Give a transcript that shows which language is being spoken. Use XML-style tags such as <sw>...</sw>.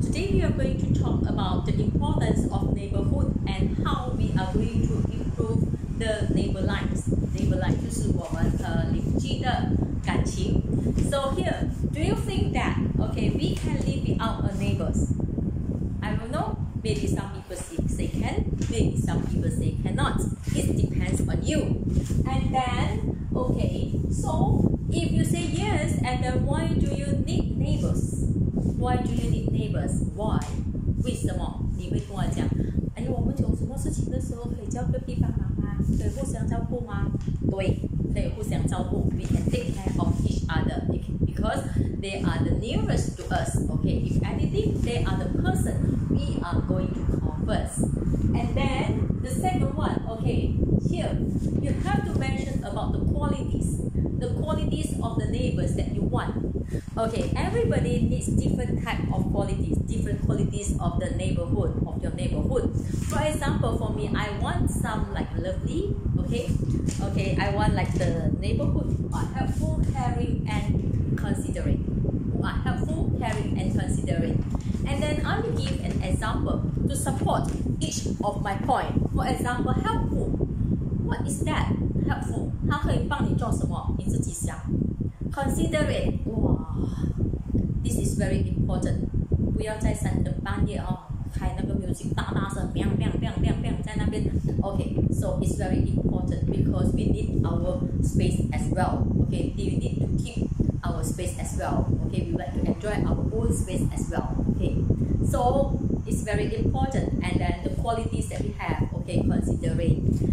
<en>Today we are going to talk about the importance of neighbourhood and how we are going to improve the neighbourlines.</en> <zh>Neighbourline 就是我们和邻居的感情。</zh> <en>So here, do you think that, okay, we can live without our neighbours? I don't know. Maybe some people say can, maybe some people say cannot. It depends on you. And then, okay, so if you say yes, and then why do you need neighbours? Why do you need neighbors? Why?</en> <zh>为什么你会跟我讲？哎呦，我们有什么事情的时候可以叫隔壁帮忙吗？可以互相照顾吗？对，可以互相照顾。</zh> <en>We can take care of each other because they are the nearest to us. Okay, if anything, they are the person we are going to call first. And then the second one. Okay, here you have to mention about the qualities of the neighbors that you want. Okay, everybody needs different type of qualities, different qualities of the neighborhood, of your neighborhood. For example, for me, I want some like lovely, okay? Okay, I want like the neighborhood who are helpful, caring, and considering. Who are helpful, caring, and considering. And then I will give an example to support each of my points. For example, helpful. What is that? Helpful.</en> <zh>它可以帮你做什么？你自己想。</zh> <en>Considerate. Wow. This is very important.</en> <zh>不要在三更半夜哦，开那个 music 大大声，砰砰砰砰砰，在那边。</zh> <en>Okay, so it's very important because we need our space as well. Okay, we need to keep our space as well. Okay, we like to enjoy our own space as well. Okay, so it's very important. And then the qualities that we have, okay, considering.</en>